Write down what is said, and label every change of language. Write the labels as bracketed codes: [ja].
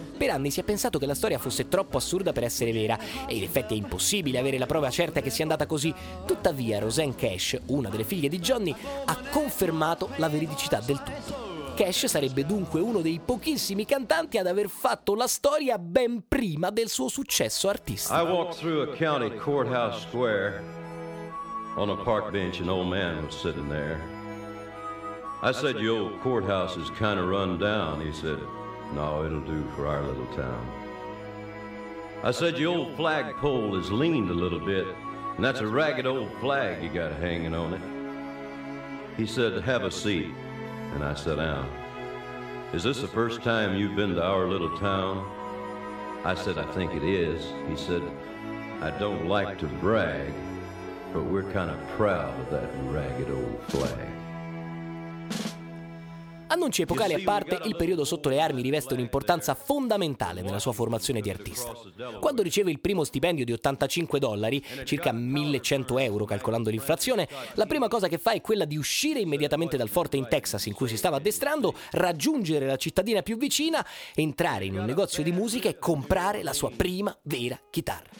[it] Per anni si è pensato che la storia fosse troppo assurda per essere vera, e in effetti è impossibile avere la prova certa che sia andata così. Tuttavia, Roseanne Cash, una delle figlie di Johnny, ha confermato la veridicità del tutto. Cash sarebbe dunque uno dei pochissimi cantanti ad aver fatto la storia ben prima del suo successo artistico. [en] I walked through a county courthouse square. On a park bench, an old man was sitting there. I said, your old courthouse is kind of run down. He said, no, it'll do for our little town. I said, your old flagpole has leaned a little bit, and that's a ragged old flag you got hanging on it. He said, have a seat. And I sat down. Is this the first time you've been to our little town? I said, I think it is. He said, I don't like to brag, but we're kind of proud of that ragged old flag. [it] Annunci epocali a parte, il periodo sotto le armi riveste un'importanza fondamentale nella sua formazione di artista. Quando riceve il primo stipendio di $85, circa 1100 euro calcolando l'inflazione, la prima cosa che fa è quella di uscire immediatamente dal forte in Texas in cui si stava addestrando, raggiungere la cittadina più vicina, entrare in un negozio di musica e comprare la sua prima vera chitarra.